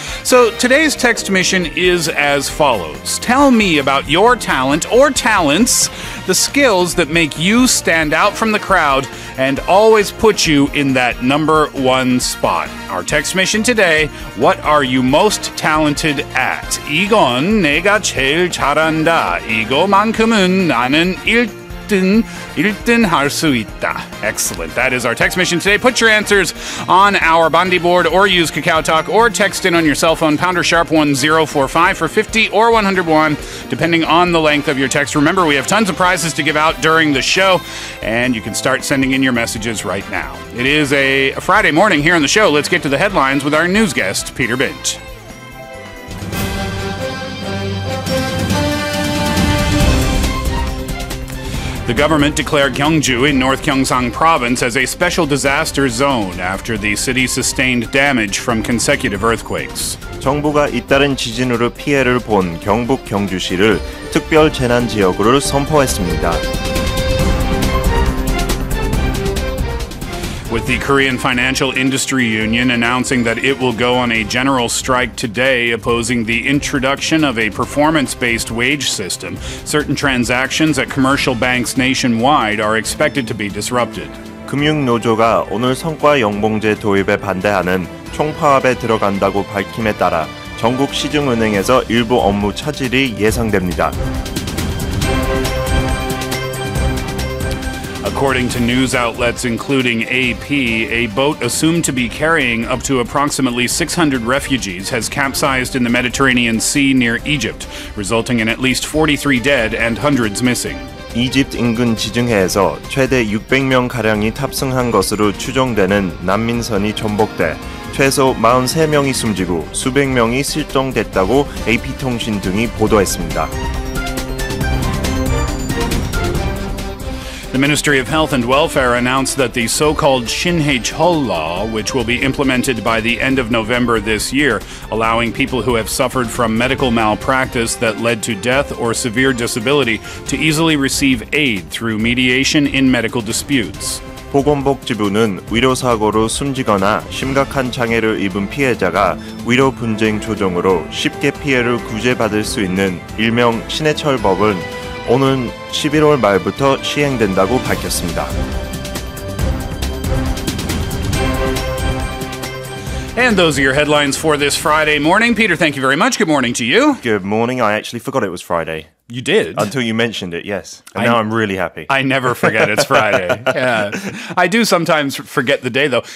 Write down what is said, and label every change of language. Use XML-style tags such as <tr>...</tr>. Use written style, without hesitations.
<en>So today's text mission is as follows. Tell me about your talent or talents, the skills that make you stand out from the crowd and always put you in that number one spot. Our text mission today, what are you most talented at?</en> <ko>이건 내가 제일 잘한다. 이거만큼은 나는 1등 할 수 있다.</ko> <en>Excellent. That is our text mission today. Put your answers on our Bondi board or use Kakao Talk or text in on your cell phone, #1045 for 50 or 101, depending on the length of your text. Remember, we have tons of prizes to give out during the show, and you can start sending in your messages right now. It is a Friday morning here on the show. Let's get to the headlines with our news guest, Peter Bint. The government declared Gyeongju in North Gyeongsang Province as a special disaster zone after the city sustained damage from consecutive earthquakes.</en> <ko>정부가 잇따른 지진으로 피해를 본 경북 경주시를 특별 재난 지역으로 선포했습니다.</ko> <en>With the Korean Financial Industry Union announcing that it will go on a general strike today opposing the introduction of a performance-based wage system, certain transactions at commercial banks nationwide are expected to be disrupted.</en> <ko>금융노조가 오늘 성과연봉제 도입에 반대하는 총파업에 들어간다고 밝힘에 따라 전국 시중은행에서 일부 업무 차질이 예상됩니다.</ko> <en>According to news outlets including AP, a boat assumed to be carrying up to approximately 600 refugees has capsized in the Mediterranean Sea near Egypt, resulting in at least 43 dead and hundreds missing.</en> <ko>이집트 인근 지중해에서 최대 600명 가량이 탑승한 것으로 추정되는 난민선이 전복돼 최소 43명이 숨지고 수백 명이 실종됐다고 AP통신 등이 보도했습니다.</ko> <en>The Ministry of Health and Welfare announced that the so-called Shinhae Chol Law, which will be implemented by the end of November this year, allowing people who have suffered from medical malpractice that led to death or severe disability to easily receive aid through mediation in medical disputes.</en> <ko>보건복지부는 위로사고로 숨지거나 심각한 장애를 입은 피해자가 위로 분쟁 조정으로 쉽게 피해를 구제받을 수 있는 일명 신해철법은 오는 11월 말부터 시행된다고 밝혔습니다.</ko> <en>And those are your headlines for this Friday morning. Peter, thank you very much. Good morning to you. Good morning. I actually forgot it was Friday. You did? Until you mentioned it, yes. And now I'm really happy. I never forget it's Friday. Yeah. I do sometimes forget the day, though.</en>